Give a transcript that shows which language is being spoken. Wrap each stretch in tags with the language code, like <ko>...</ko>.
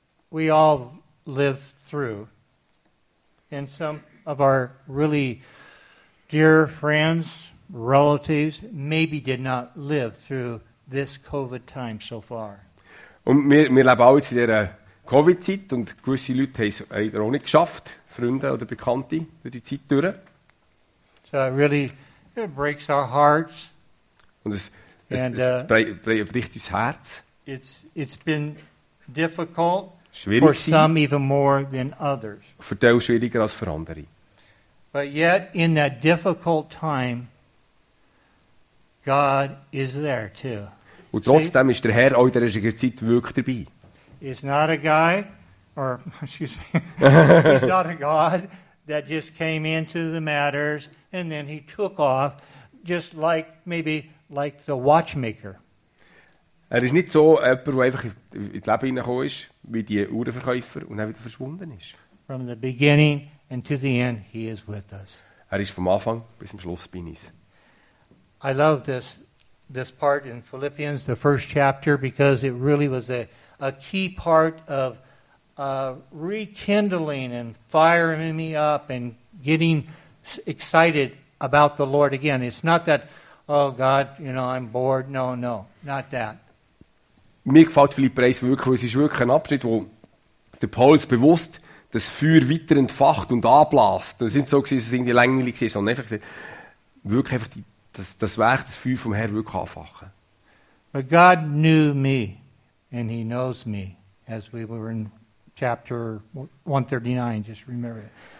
<en>We all live through, and some of our really dear friends, relatives, maybe did not live through this COVID time so far.</en> <de>Und wir leben auch jetzt in dieser Covid-Zeit und gewisse Leute haben es leider auch nicht geschafft, Freunde oder Bekannte, durch die Zeit durch.</de> <en>So really, it breaks our hearts.</en> <de>Und es bricht uns Herz.</de> <en>It's been difficult.</en> <de>Schwierig</de> <en>for some even more than others.</en> <de>Für die auch schwieriger als für andere.</de> <en>But yet, in that difficult time, God is there too.</en> <de>Und trotzdem ist der Herr auch in der richtigen Zeit wirklich dabei.</de> <en>He's not a guy, or excuse me, he's not a God that just came into the matters and then he took off, just like, maybe, like the watchmaker.</en> <de>Er ist nicht so jemand, der einfach in das Leben hineingekommen ist, wie die Uhrenverkäufer und dann wieder verschwunden ist.</de> <en>From the beginning and to the end, he is with us.</en> <de>Er ist vom Anfang bis zum Schluss bei uns.</de> <en>I love this part in Philippians, the first chapter, because it really was a key part of rekindling and firing me up and getting excited about the Lord again. It's not that, oh God, you know, I'm bored. No, no, not that.</en> <de>Mir gefällt Philipper 1 wirklich, weil es ist wirklich ein Abschnitt, wo der Paulus bewusst das Feuer weiter entfacht und anblasst. Es sind so gewesen, dass es irgendwie länglich war, sondern einfach wirklich einfach das Werk, das Feuer vom Herrn wirklich anfachen.</de> <en>But God knew me and he knows me, as we were in chapter 139, just remember it.</en>